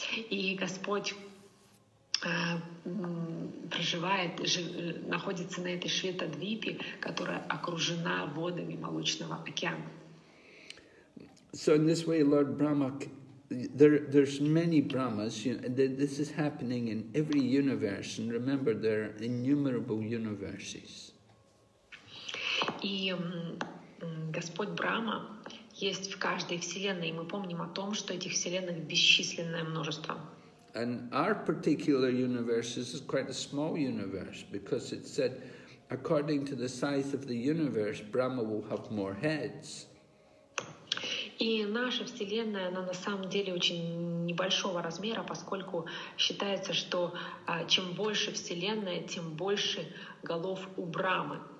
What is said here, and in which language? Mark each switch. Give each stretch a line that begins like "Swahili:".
Russian: И Господь проживает, находится на этой Шветадвипе, которая окружена водами Молочного океана.
English: So in this way, Lord Brahma, there's many Brahmas. You know, this is happening in every universe, and remember, there are innumerable universes.
Russian: И Господь Брахма есть в каждой вселенной, и мы помним о том, что этих вселенных бесчисленное множество.
English: And our particular universe is quite a small universe, because it said, according to the size of the universe, Brahma will have more heads.
Russian: И наша вселенная, она на самом деле очень небольшого размера, поскольку считается, что чем больше вселенная, тем больше голов у Брахмы.